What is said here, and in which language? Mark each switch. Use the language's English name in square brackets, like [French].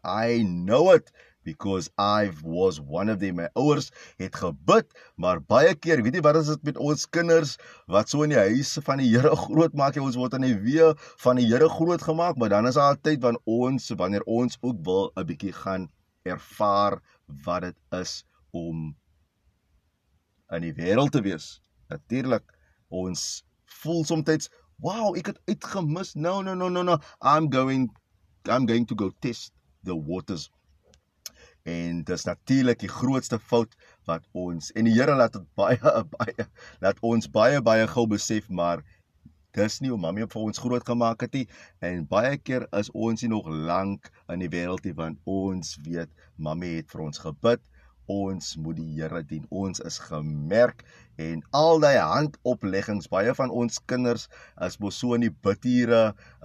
[English] I know it because I was one of them. [Afrikaans] My ouers het gebid, maar baie keer, weet jy wat is dit met ons kinders wat so in die huis van die Here groot maak, ons word in die wee van die Here groot gemaak, maar dan is daar 'n tyd wanneer ons ook wil 'n bietjie gaan ervaar wat dit is om in die wêreld te wees. Natuurlik, ons voel soms, wow, ek het uitgemis, no, [English] I'm going to go test the waters. [Afrikaans] En dis natuurlik die grootste fout wat ons, en die Here laat ons baie gou besef, maar dis nie hoe mami op vir ons groot gemaak het nie, en baie keer is ons nie nog lank in die wêreld nie, want ons weet, mami het vir ons gebid, ons moet die Here dien, ons is gemerk, en al die handopleggings, baie van ons kinders is mos so in die bidure,